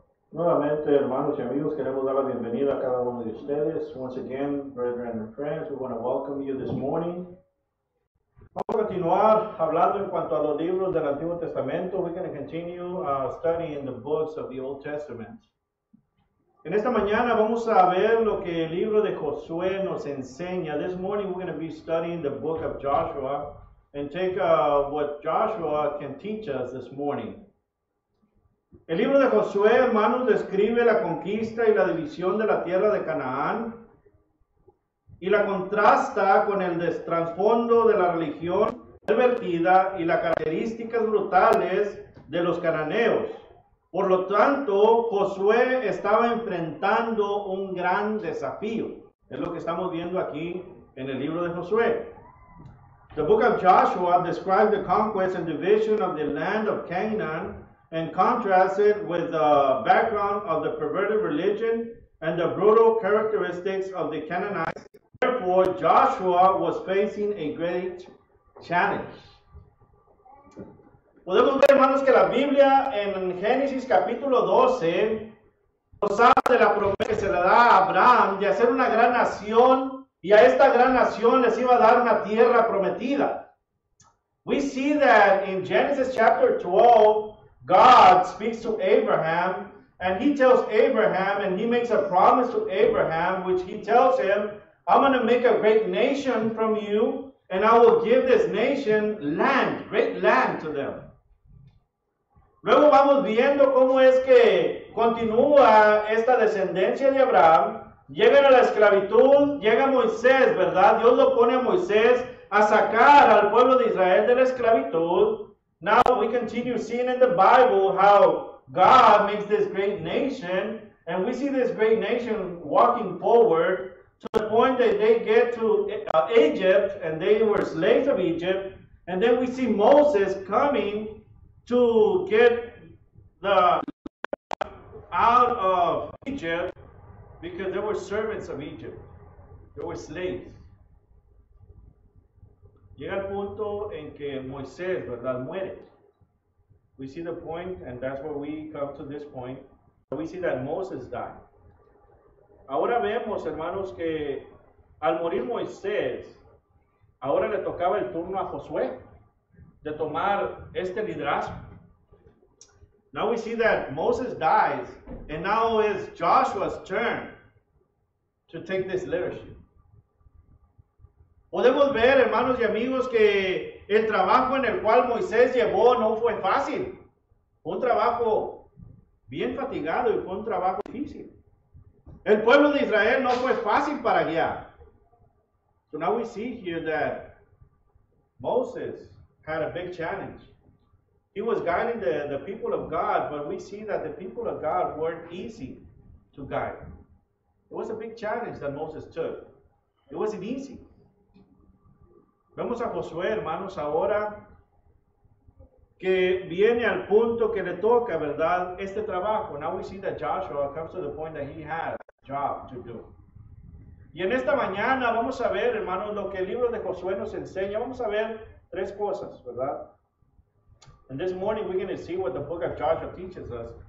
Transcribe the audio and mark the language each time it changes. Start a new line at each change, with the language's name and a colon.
Spanish: Nuevamente, hermanos y amigos, queremos dar la bienvenida a cada uno de ustedes.
English: Once again, brethren and friends, we want to welcome you this morning.
Spanish: Vamos a continuar hablando en cuanto a los libros del Antiguo Testamento.
English: We're going to continue studying the books of the Old Testament.
Spanish: En esta mañana vamos a ver lo que el libro de Josué nos enseña.
English: This morning we're going to be studying the book of Joshua and take what Joshua can teach us this morning.
Spanish: El libro de Josué, hermanos, describe la conquista y la división de la tierra de Canaán y la contrasta con el trasfondo de la religión pervertida y las características brutales de los cananeos. Por lo tanto, Josué estaba enfrentando un gran desafío. Es lo que estamos viendo aquí en el libro de Josué.
English: The book of Joshua describes the conquest and division of the land of Canaan and contrast it with the background of the perverted religion and the brutal characteristics of the Canaanites. Therefore, Joshua was facing a great challenge.
Spanish: Podemos ver, hermanos, que la Biblia en Génesis capítulo 12 nos habla de la promesa que se le da a Abraham de hacer una gran nación, y a esta gran nación les iba a dar una tierra prometida.
English: We see that in Genesis chapter 12, God speaks to Abraham, and he tells Abraham, and he makes a promise to Abraham, which he tells him, I'm going to make a great nation from you, and I will give this nation land, great land to them.
Spanish: Luego vamos viendo cómo es que continúa esta descendencia de Abraham, llegan a la esclavitud, llega Moisés, ¿verdad? Dios lo pone a Moisés a sacar al pueblo de Israel de la esclavitud.
English: Now we continue seeing in the Bible how God makes this great nation, and we see this great nation walking forward to the point that they get to Egypt, and they were slaves of Egypt, and then we see Moses coming to get the out of Egypt because they were servants of Egypt. They were slaves.
Spanish: Llega el punto en que Moisés, ¿verdad?, muere.
English: We see the point, and that's where we come to this point. We see that Moses died.
Spanish: Ahora vemos, hermanos, que al morir Moisés, ahora le tocaba el turno a Josué de tomar este liderazgo.
English: Now we see that Moses dies, and now it's Joshua's turn to take this leadership.
Spanish: Podemos ver, hermanos y amigos, que el trabajo en el cual Moisés llevó no fue fácil. Fue un trabajo bien fatigado y fue un trabajo difícil. El pueblo de Israel no fue fácil para guiar.
English: So now we see here that Moses had a big challenge. He was guiding the people of God, but we see that the people of God weren't easy to guide. It was a big challenge that Moses took. It wasn't easy.
Spanish: Vemos a Josué, hermanos, ahora que viene al punto que le toca, ¿verdad?, este trabajo.
English: Now we see that Joshua comes to the point that he has a job to do.
Spanish: Y en esta mañana vamos a ver, hermanos, lo que el libro de Josué nos enseña. Vamos a ver tres cosas, ¿verdad?
English: And this morning we're going to see what the book of Joshua teaches us.